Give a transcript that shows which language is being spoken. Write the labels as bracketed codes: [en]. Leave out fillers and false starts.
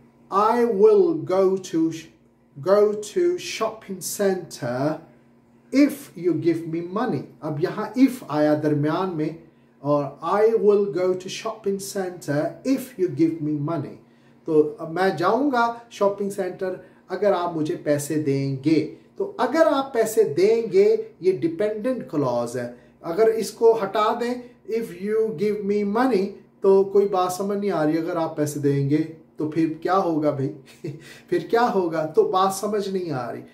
[en] I will go to shopping centre if you give me money. [ur] اب یہاں if آیا درمیان میں, اور [en] I will go to shopping center if you give me money. [ur] تو میں جاؤں گا شاپنگ سینٹر اگر آپ مجھے پیسے دیں گے. تو اگر آپ پیسے دیں گے, یہ ڈپینڈنٹ کلاز ہے. اگر اس کو ہٹا دیں [en] if you give me money, [ur] تو کوئی بات سمجھ نہیں آ رہی. اگر آپ پیسے دیں گے تو پھر کیا ہوگا بھائی, پھر کیا ہوگا, تو بات سمجھ نہیں آ رہی.